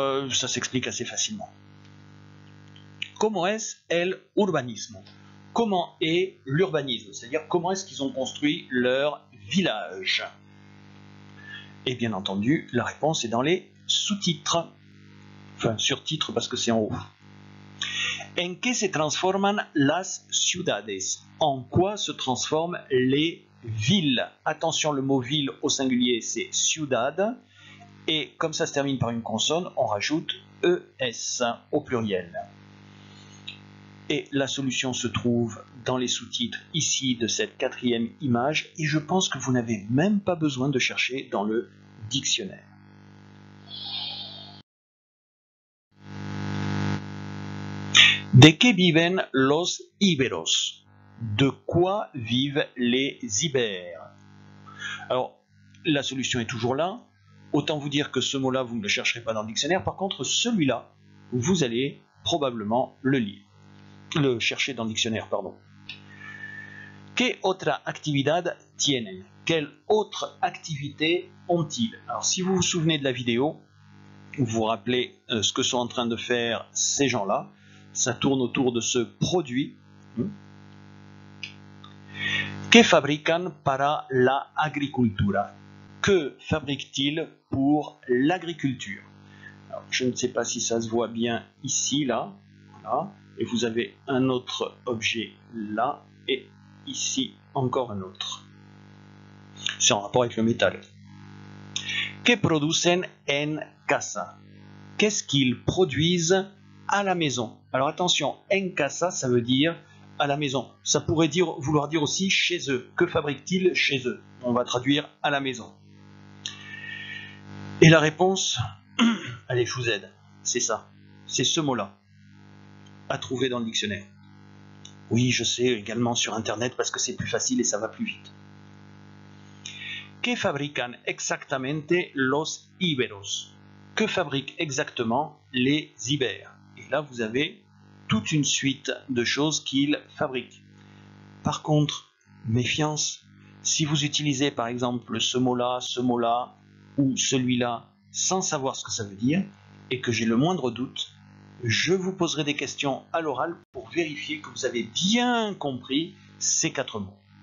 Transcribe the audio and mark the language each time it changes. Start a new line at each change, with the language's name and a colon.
French: Ça s'explique assez facilement.
Spanish: ¿Cómo es el urbanismo?
French: Comment est l'urbanisme? C'est-à-dire, comment est-ce qu'ils ont construit leur village? Et bien entendu, la réponse est dans les sous-titres. Enfin, surtitres parce que c'est en haut.
Spanish: ¿En qué se transforman las ciudades?
French: En quoi se transforment les villes? Attention, le mot ville au singulier, c'est ciudad. Et comme ça se termine par une consonne, on rajoute ES au pluriel. Et la solution se trouve dans les sous-titres ici de cette quatrième image. Et je pense que vous n'avez même pas besoin de chercher dans le dictionnaire.
Spanish: ¿De qué viven los iberos?
French: De quoi vivent les ibères? Alors, la solution est toujours là. autant vous dire que ce mot-là, vous ne le chercherez pas dans le dictionnaire. Par contre, celui-là, vous allez probablement le lire, le chercher dans le dictionnaire, pardon.
Spanish: ¿Qué otra actividad tienen?
French: Quelle autre activité ont-ils? Alors, si vous vous souvenez de la vidéo, vous vous rappelez ce que sont en train de faire ces gens-là. Ça tourne autour de ce produit.
Spanish: ¿Qué fabrican para la agricultura?
French: Que fabriquent-ils pour l'agriculture? Alors, je ne sais pas si ça se voit bien ici, là. Voilà. Et vous avez un autre objet là et ici encore un autre. C'est en rapport avec le métal.
Spanish: ¿Qué producen en casa?
French: Qu'est-ce qu'ils produisent à la maison? Alors attention, en casa, ça veut dire à la maison. Ça pourrait dire, vouloir dire aussi chez eux. Que fabriquent-ils chez eux? On va traduire à la maison. Et la réponse, allez, je vous aide. C'est ça, c'est ce mot-là à trouver dans le dictionnaire. Oui, je sais, également sur Internet, parce que c'est plus facile et ça va plus vite.
Spanish: ¿Qué fabrican exactamente los iberos?
French: Que fabriquent exactement les Ibères? Et là, vous avez toute une suite de choses qu'ils fabriquent. Par contre, méfiance, si vous utilisez par exemple ce mot-là ou celui-là sans savoir ce que ça veut dire et que j'ai le moindre doute, je vous poserai des questions à l'oral pour vérifier que vous avez bien compris ces quatre mots.